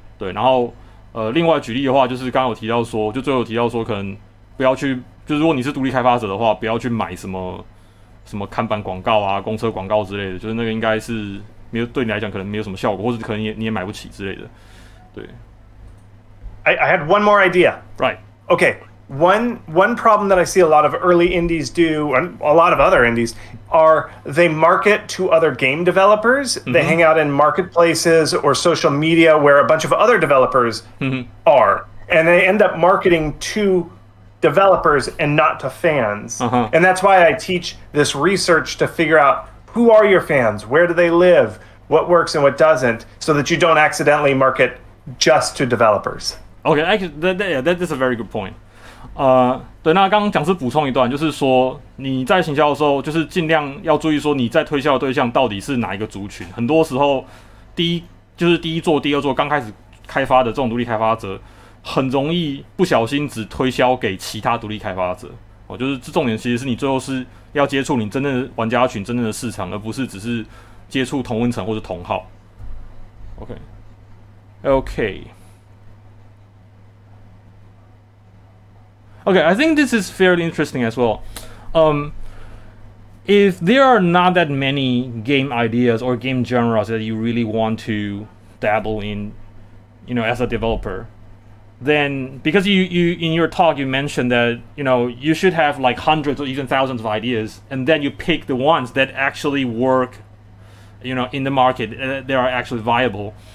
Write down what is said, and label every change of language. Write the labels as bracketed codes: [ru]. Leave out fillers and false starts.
[zh] 对，然后另外举例的话，就是刚刚有提到说，就最后提到说，可能不要去，就是如果你是独立开发者的话，不要去买什么看板广告啊、公车广告之类的，就是那个应该是没有，对你来讲可能没有什么效果，或者可能你也买不起之类的。对。 [en] I had one more idea. Right. Okay. One problem that I see a lot of early indies do, and a lot of other indies, are they market to other game developers. Mm-hmm. They hang out in marketplaces or social media where a bunch of other developers mm-hmm. are. And they end up marketing to developers and not to fans. Uh-huh. And that's why I teach this research to figure out who are your fans, where do they live, what works and what doesn't, so that you don't accidentally market just to developers. Okay, that's a very good point. [zh] 对，那刚刚讲师补充一段，就是说你在行销的时候，就是尽量要注意说你在推销的对象到底是哪一个族群。很多时候，第一就是第一座、第二座刚开始开发的这种独立开发者，很容易不小心只推销给其他独立开发者。哦，就是重点其实是你最后是要接触你真正的玩家群、真正的市场，而不是只是接触同温层或者同好。 [en] Okay, I think this is fairly interesting as well. If there are not that many game ideas or game genres that you really want to dabble in, you know, as a developer, then because you in your talk you mentioned that, you know, you should have like hundreds or even thousands of ideas, and then you pick the ones that actually work, you know, in the market, they are actually viable.